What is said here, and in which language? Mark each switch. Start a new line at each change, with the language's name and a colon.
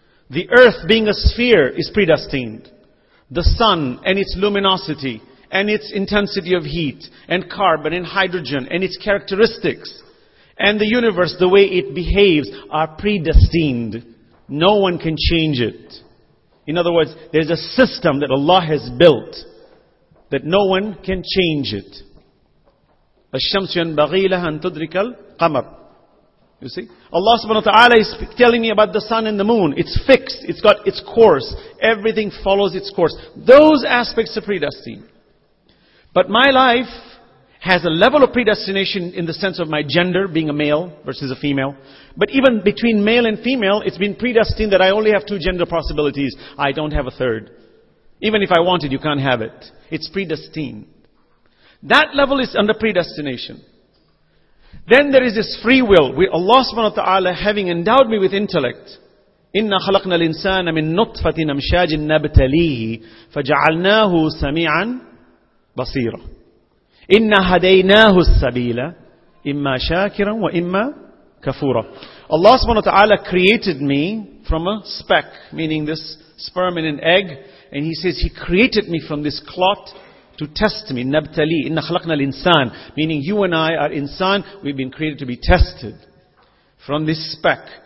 English: The earth being a sphere is predestined. The sun and its luminosity and its intensity of heat and carbon and hydrogen and its characteristics and the universe, the way it behaves, are predestined. No one can change it. In other words, there's a system that Allah has built that no one can change it.
Arabic: الشمس ينبغي لها أن تدرك القمر.
English: You see? Allah subhanahu wa ta'ala is telling me about the sun and the moon. It's fixed. It's got its course. Everything follows its course. Those aspects are predestined. But my life has a level of predestination in the sense of my gender, being a male versus a female. But even between male and female, it's been predestined that I only have two gender possibilities. I don't have a third. Even if I want it, you can't have it. It's predestined. That level is under predestination. Then there is this free will.
Arabic: We, Allah subhanahu wa ta'ala, having endowed me with intellect, إِنَّا خَلَقْنَا الْإِنسَانَ مِنْ نُطْفَةٍ أَمْشَاجٍ نَبْتَلِيهِ فَجَعَلْنَاهُ سَمِيعًا بَصِيرًا إِنَّا هَدَيْنَاهُ السَّبِيلَ إِمَّا شَاكِرًا وَإِمَّا كَفُورًا.
English: Allah subhanahu wa ta'ala created me from a speck, meaning this sperm and an egg, and He says He created me from this clot to test me. Nabtali, inna khalaqna al-insan, meaning you and I are insan, we've been created to be tested from this speck.